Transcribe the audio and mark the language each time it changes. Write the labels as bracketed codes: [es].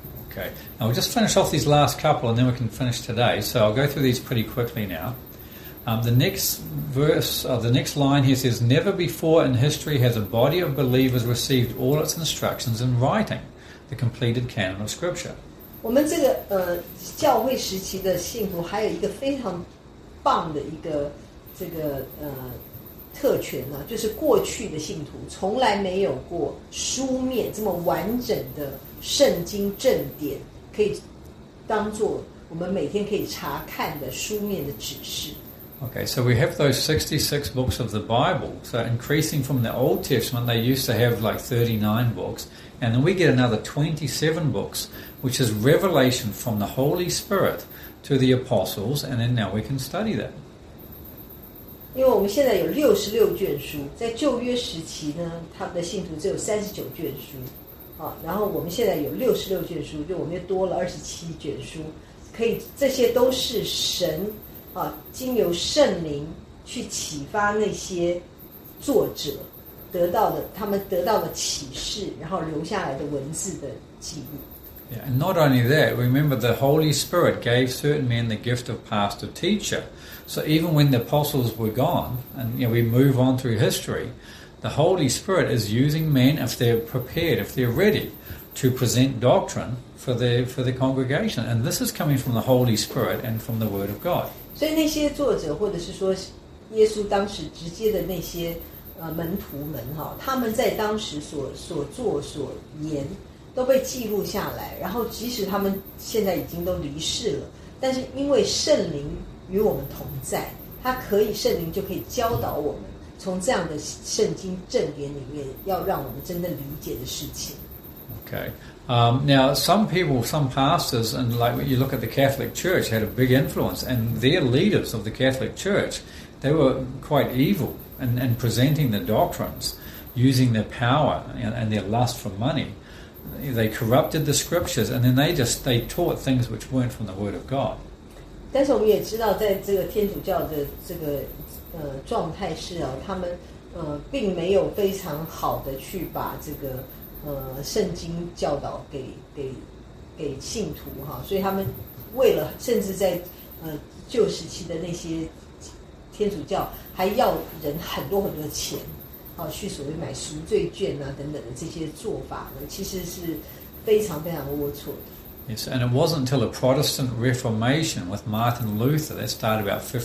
[en] Okay, now we'll just finish off these last couple and then we can finish today. So I'll go through these pretty quickly now. The next verse, the next line here says, never before in history has a body of believers received all its instructions in writing, the completed canon of Scripture. [zh] 我们这个教会时期的信徒还有一个非常棒的一个这个特权呢、啊，就是过去的信徒从来没有过书面这么完整的圣经正典，可以当做我们每天可以查看的书面的指示。 [en] Okay, so we have those 66 books of the Bible. So increasing from the Old Testament, they used to have like 39 books. And then we get another 27 books, which is revelation from the Holy Spirit to the apostles. And then now we can study that. [zh] 因为我们现在有66卷书，在旧约时期呢，他们的信徒只有39卷书。然后我们现在有66卷书，就我们又多了27卷书，可以，这些都是神经由圣灵去启发那些作者得到的，他们得到的启示，然后留下来的文字的记录。 [en] Yeah, and not only that, remember the Holy Spirit gave certain men the gift of pastor teacher. So even when the apostles were gone, and you know, we move on through history, the Holy Spirit is using men if they're prepared, if they're ready, to present doctrine for the congregation. And this is coming from the Holy Spirit and from the Word of God. [zh] 所以那些作者或者是说耶稣当时直接的那些门徒们他们在当时所做所言都被记录下来，然后即使他们现在已经都离世了，但是因为圣灵与我们同在，他可以，圣灵就可以教导我们从这样的圣经正典里面要让我们真的理解的事情。 [en] OK, now, some people, some pastors, and like when you look at the Catholic Church, had a big influence, and their leaders of the Catholic Church, they were quite evil in presenting the doctrines, using their power and their lust for money. They corrupted the scriptures, and then they taught things which weren't from the Word of God. [zh] 但是我们也知道在这个天主教的这个状态是他们并没有非常好的去把这个圣经教导给信徒哈，所以他们为了，甚至在旧时期的那些天主教还要人很多很多钱去所谓买赎罪券啊等等的这些做法呢，其实是非常非常龌龊的。 [en] Yes, and it wasn't until the Protestant Reformation with Martin Luther that started about